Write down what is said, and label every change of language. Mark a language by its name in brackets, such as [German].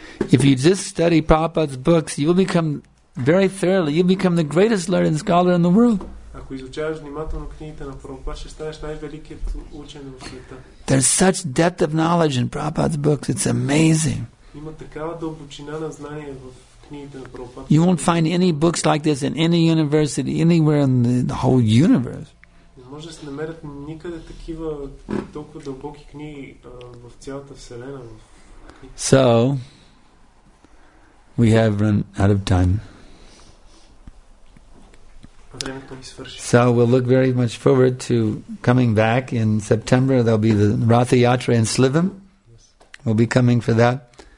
[English] If you just study Prabhupada's books, you will become very thoroughly, you become the greatest learned scholar in the world. [Bulgarian] Ако изучаваш внимателно книгите на Прабхупада, ще станеш най-великият учен в света. [English] There's such depth of knowledge in Prabhupada's books. It's amazing. [Bulgarian] Има такава дълбочина на знание в книгите на Прабхупада. [English] You won't find any books like this in any university, anywhere in the whole universe. [Bulgarian] Не може да се намерят никъде такива толкова дълбоки книги в цялата вселена. [English] So, we have run out of time. So we'll look very much forward to coming back in September. There'll be the Ratha Yatra in Slivim. We'll be coming for that.